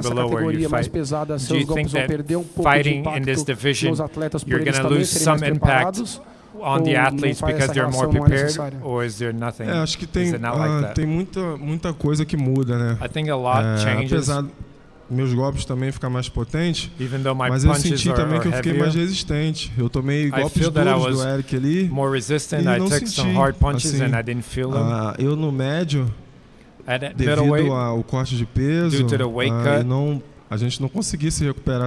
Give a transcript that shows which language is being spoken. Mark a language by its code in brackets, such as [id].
[pt] Você sente que se você lutar nessa categoria mais pesada, seus golpes vão perder um pouco de impacto [en] in this division, [pt] nos atletas [en] you're [pt] por eles também serem mais preparados? [en] On the athletes because they're more prepared, or is there nothing? [pt] Acho que tem, tem muita coisa que muda, né? [en] I think a lot changes. [pt] Meus golpes também ficam mais potentes, mas eu senti também que eu fiquei mais resistente. Eu tomei golpes duros do Eryk ali e não senti. Assim, eu no médio, devido ao corte de peso, a gente não conseguia se recuperar